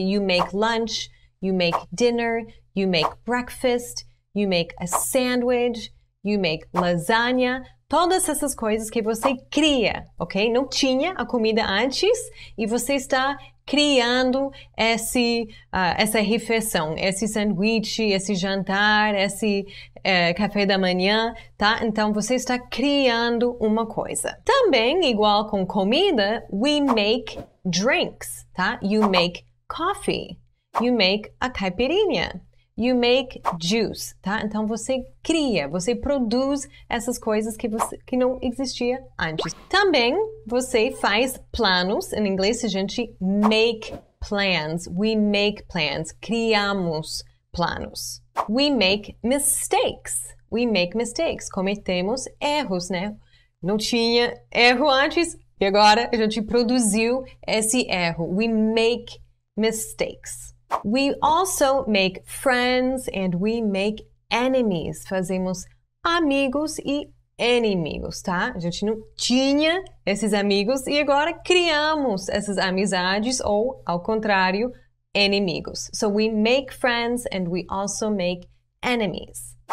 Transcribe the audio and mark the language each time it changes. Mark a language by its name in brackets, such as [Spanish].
[English] You make lunch, you make dinner, you make breakfast, you make a sandwich, you make lasagna. [Portuguese] Todas essas coisas que você cria, ok? Não tinha a comida antes e você está criando essa refeição, esse sanduíche, esse jantar, esse café da manhã, tá? Então, você está criando uma coisa. Também, igual com comida, [English] we make drinks, [Portuguese] tá? [English] You make coffee, you make a caipirinha, you make juice, tá? [Portuguese] Então, você cria, você produz essas coisas que não existia antes. Também, você faz planos. Em inglês, a gente [English] make plans. We make plans. [Portuguese] Criamos planos. [English] We make mistakes. We make mistakes. [Portuguese] Cometemos erros, né? Não tinha erro antes e agora a gente produziu esse erro. [English] We make mistakes. We also make friends and we make enemies. [Portuguese] Fazemos amigos e inimigos, tá? A gente não tinha esses amigos e agora criamos essas amizades ou, ao contrário, inimigos. [English] So we make friends and we also make enemies.